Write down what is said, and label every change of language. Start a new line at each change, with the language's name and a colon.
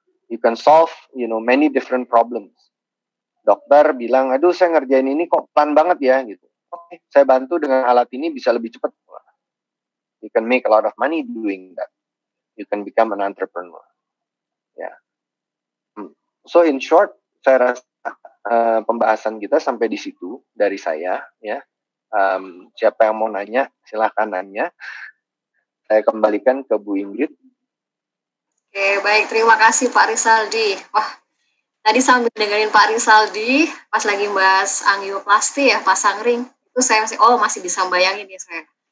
English: You can solve, you know, many different problems.
Indonesian: Dokter bilang, aduh, saya ngerjain ini kok pelan banget ya, gitu. Oke, saya bantu dengan alat ini bisa lebih cepat.
English: You can make a lot of money doing that. You can become an entrepreneur. Yeah. So in short,
Indonesian: saya rasa pembahasan kita sampai di situ dari saya, ya. Siapa yang mau nanya, silakan nanya. Saya kembalikan ke Bu Ingrid. Oke, baik, terima kasih Pak Rizaldi. Wah, tadi sambil dengerin Pak Rizaldi, pas lagi bahas angioplasti ya, pasang ring, itu saya masih, oh masih bisa bayangin ya saya.